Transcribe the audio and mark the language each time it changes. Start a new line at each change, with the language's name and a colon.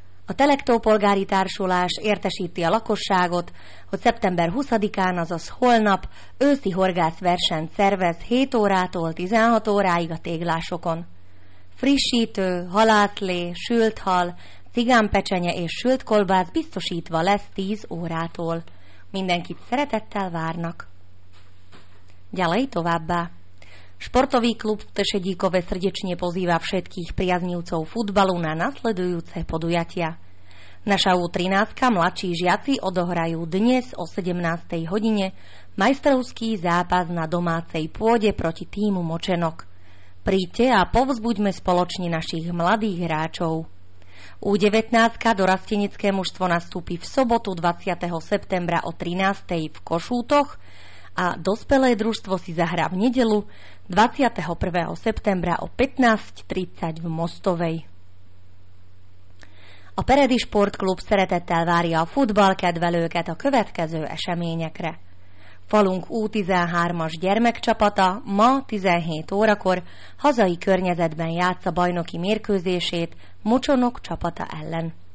Hungarian: A Telektó polgári társulás értesíti a lakosságot, hogy szeptember 20-án, azaz holnap, őszi horgászversenyt szervez 7 órától 16 óráig a Téglásokon. Frissítő, halászlé, sült hal, cigánpecsenye és sült kolbász biztosítva lesz 10 órától. Mindenkit szeretettel várnak.
Slovak: Ďalej továbbá. Športový klub v Tešedíkove srdečne pozýva všetkých priaznivcov futbalu na nasledujúce podujatia. Naša U13 mladší žiaci odohrajú dnes o 17. hodine majstrovský zápas na domácej pôde proti tímu Močenok. Príďte a povzbuďme spoločne našich mladých hráčov. U19 dorastenecké mužstvo nastúpi v sobotu 20. septembra o 13. v Košútoch a dospelé družstvo si zahrá v nedeľu 21. septembra o 15.30 v Mostovej.
Hungarian: A Peredi Sportklub szeretettel várja a futballkedvelőket a következő eseményekre. Falunk U13-as gyermekcsapata ma 17 órakor hazai környezetben játsza bajnoki mérkőzését Mocsonok csapata ellen.